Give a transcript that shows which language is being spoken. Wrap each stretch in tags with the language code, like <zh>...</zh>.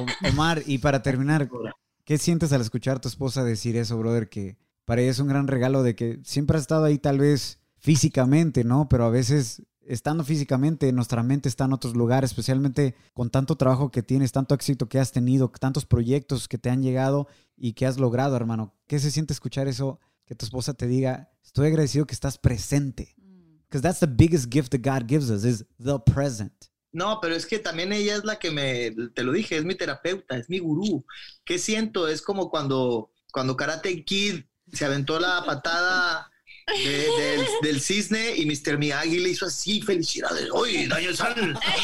<es>Omar, y para terminar, ¿qué sientes al escuchar a tu esposa decir eso, brother, que para ella es un gran regalo de que siempre ha estado ahí tal vez físicamente, ¿no? Pero a veces estando físicamente, nuestra mente está en otros lugares, especialmente con tanto trabajo que tienes, tanto éxito que has tenido, tantos proyectos que te han llegado y que has logrado, hermano. ¿Qué se siente escuchar eso, que tu esposa te diga, estoy agradecido que estás presente?</es> <en>Because that's the biggest gift that God gives us, is the present.</en> <es>No, pero es que también ella es la que te lo dije, es mi terapeuta, es mi gurú. ¿Qué siento? Es como cuando Karate Kid se aventó la patada del cisne y Mr. Miyagi le hizo así, felicidades, ¡oy, Daniel-san!</es>